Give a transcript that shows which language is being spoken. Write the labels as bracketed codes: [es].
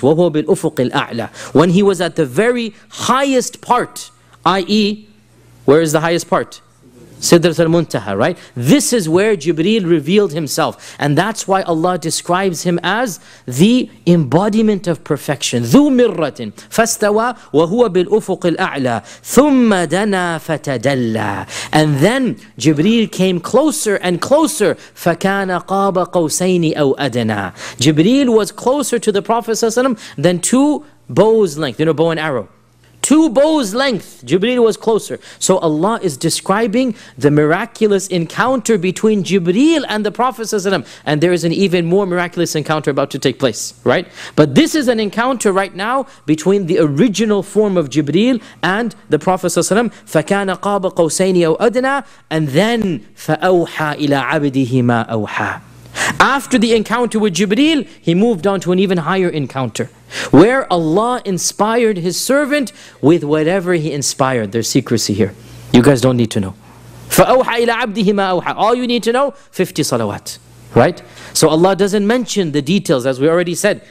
[ar] وَهُوَ بِالْأُفُقِ الْأَعْلَى. [en] When he was at the very highest part, i.e., where is the highest part? Sidrat al-Muntaha, right? This is where Jibreel revealed himself. And that's why Allah describes him as the embodiment of perfection. [ar] ذو مرة فاستوى وهو بالأفق الأعلى ثم دنا فتدلى. [en] And then Jibreel came closer and closer. [ar] فكان قاب قوسين أو أدنى. [en] Jibreel was closer to the Prophet ﷺ than two bows length, you know, bow and arrow. Two bows length, Jibreel was closer. So Allah is describing the miraculous encounter between Jibreel and the Prophet ﷺ. And there is an even more miraculous encounter about to take place, right? But this is an encounter right now between the original form of Jibreel and the Prophet ﷺ. [ar] فَكَانَ قَابَ قَوْسَيْنِ أَوْ أَدْنَى. [en] And then [ar] فَأَوْحَى إِلَىٰ عَبْدِهِ مَا أَوْحَى. [en] After the encounter with Jibreel, he moved on to an even higher encounter, where Allah inspired his servant with whatever he inspired. There's secrecy here. You guys don't need to know. [ar] فَأَوْحَى إِلَىٰ عَبْدِهِ مَا أَوْحَى. [en] All you need to know, 50 salawat. Right? So Allah doesn't mention the details, as we already said.